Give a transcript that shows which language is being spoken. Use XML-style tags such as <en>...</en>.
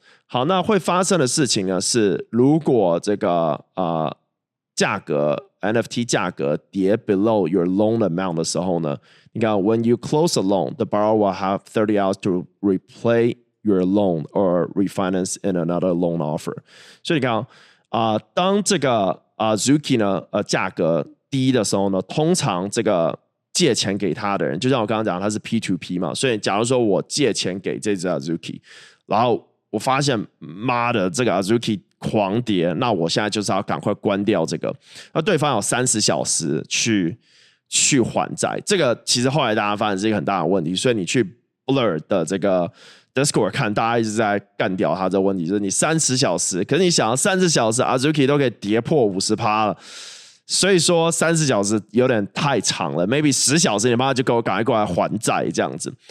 <zh>好，那会发生的事情呢是如果这个价格</zh> <en>NFT</en> <zh>价格跌</zh> <en>below your loan amount</en> <zh>的时候呢，你看</zh> <en>when you close a loan, the borrower will have 30 hours to repay your loan or refinance in another loan offer.</en> <zh>所以你看、当这个 Azuki 呢、价格低的时候呢，通常这个借钱给他的人，就像我刚刚讲，他是 P2P 嘛，所以假如说我借钱给这只 Azuki, 然后我发现妈的这个 Azuki 狂跌，那我现在就是要赶快关掉这个，那对方有30小时去还债，这个其实后来大家发现是一个很大的问题，所以你去 Blur 的这个 Discord 看，大家一直在干掉他这个问题，就是你30小时，可是你想30小时 Azuki 都可以跌破 50% 了，所以说30小时有点太长了， maybe 10小时你妈就给我赶快过来还债这样子。</zh>